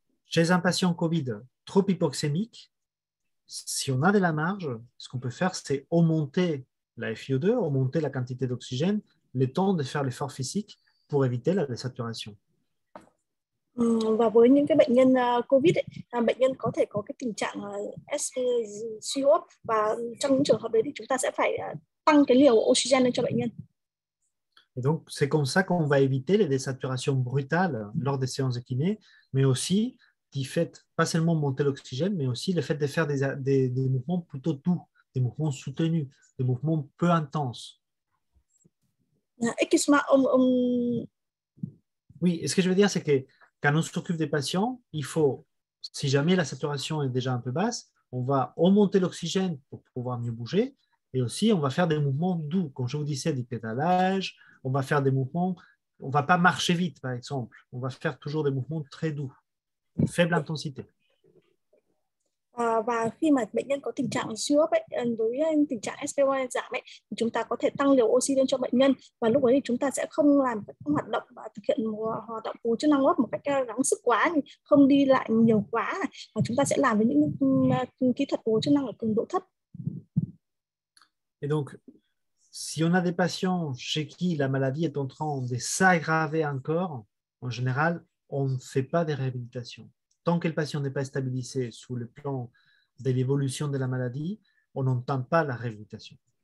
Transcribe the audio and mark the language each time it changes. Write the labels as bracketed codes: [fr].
[fr] Chez un patient COVID trop hypoxémique, si on a de la marge, ce qu'on peut faire, c'est augmenter la FiO2, augmenter la quantité d'oxygène, le temps de faire l'effort physique pour éviter la désaturation. [vi] Và với những cái bệnh nhân COVID ấy, bệnh nhân có thể có cái tình trạng suy hô hấp, và trong những trường hợp đấy thì chúng ta sẽ phải tăng cái liều oxygen lên cho bệnh nhân. [fr] Et donc, c'est comme ça qu'on va éviter les désaturations brutales lors des séances de kiné, mais aussi, du fait, pas seulement monter l'oxygène, mais aussi le fait de faire des mouvements plutôt doux, des mouvements soutenus, des mouvements peu intenses. Oui, et ce que je veux dire, c'est que quand on s'occupe des patients, il faut, si jamais la saturation est déjà un peu basse, on va augmenter l'oxygène pour pouvoir mieux bouger, et aussi on va faire des mouvements doux, comme je vous disais, du pédalage, on va faire des mouvements, on ne va pas marcher vite, par exemple, on va faire toujours des mouvements très doux, faible intensité. [vi] Và khi mà bệnh nhân có tình trạng siêu hấp ấy, đối với tình trạng SpO2 giảm ấy, thì chúng ta có thể tăng liều oxy lên cho bệnh nhân và lúc đấy thì chúng ta sẽ không làm các hoạt động và thực hiện hoạt động bù chức năng hô hấp một cách gắng sức quá, không đi lại nhiều quá, mà chúng ta sẽ làm với những kỹ thuật bù chức năng ở cường độ thấp. [fr] Et donc, si on a des patients chez qui la maladie est en train de s'aggraver encore, en général, on ne fait pas de réhabilitation. Tant que le patient n'est pas stabilisé sous le plan de l'évolution de la maladie, on n'entend pas la réhabilitation.